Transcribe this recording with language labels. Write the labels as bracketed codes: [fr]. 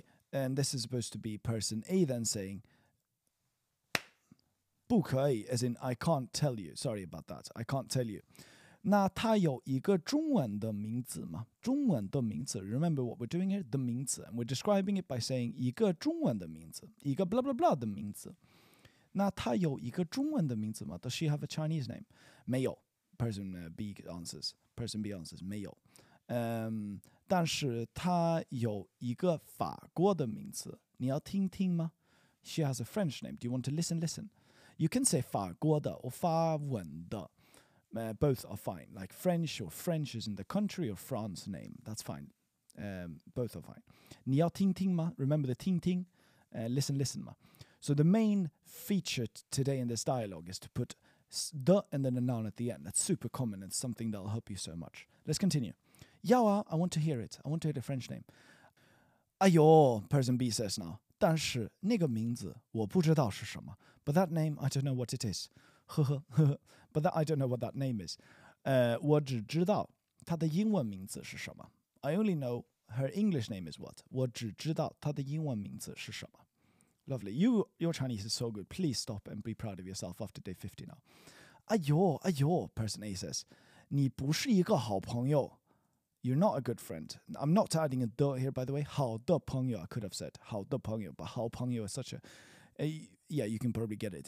[en] And this is supposed to be person A then saying, 不可以, as in, I can't tell you. Sorry about that. I can't tell you. [zh] 那他有一个中文的名字吗? [en] 中文的名字.Remember what we're doing here? 的名字.And we're describing it by saying [zh] 一个中文的名字. 一个 blah blah blah 的名字. 那他有一个中文的名字吗? [en] Does she have a Chinese name? [zh] 没有. [en] Person B answers. 没有. [zh] 但是他有一个法国的名字. 你要听听吗? [en] She has a French name. Do you want to listen? Listen. You can say 法国的 or 法文的, both are fine. Like French or French is in the country or France name, that's fine. Both are fine. [zh] 你要听听吗? [en] Remember the 听听?Listen吗? So the main feature today in this dialogue is to put 的 and then a noun at the end. That's super common. It's something that'll help you so much. Let's continue. [zh] 要啊, [en] I want to hear it. I want to hear the French name. 哎哟, person B says now. [zh] 但是那个名字我不知道是什么. [en] But that name, I don't know what it is. 呵呵, but that, I don't know what that name is. [zh] 我只知道她的英文名字是什么. [en] I only know her English name is what. [zh] 我只知道她的英文名字是什么. [en] Lovely. Your Chinese is so good. Please stop and be proud of yourself after day 50 now. 哎哟, person A says, [zh] 你不是一个好朋友. [en] You're not a good friend. I'm not adding a 的 here, by the way. 好的朋友, I could have said 好的朋友, but 好朋友 is such a, you can probably get it.